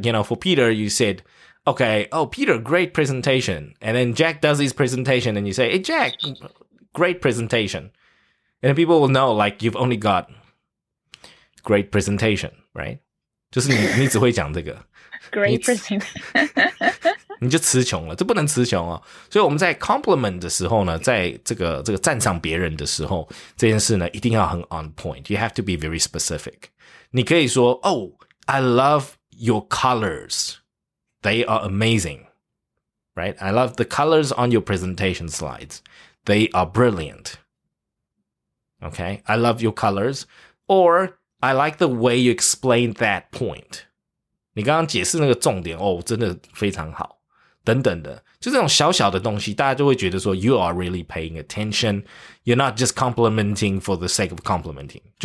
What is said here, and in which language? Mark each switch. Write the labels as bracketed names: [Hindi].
[English] You know, for Peter, you said, okay, oh, Peter, great presentation. And then Jack does his presentation and you say, hey, Jack, great presentation. And then people will know, like, you've only got great presentation, right? Just need to say this. Great presentation. [Chinese] 你就词穷了，这不能词穷啊！所以我们在 compliment 的时候呢，在这个赞赏别人的时候，这件事呢一定要很 [English] on point. You have to be very specific. [Chinese] 你可以说 [English] ，Oh, I love your colors. They are amazing, right? I love the colors on your presentation slides. They are brilliant. Okay, I love your colors, or I like the way you explained that point. [Chinese] 你刚刚解释那个重点，哦，真的非常好。等等的，就这种小小的东西， 大家就会觉得说, [English] you are really paying attention. You're not just complimenting for the sake of complimenting.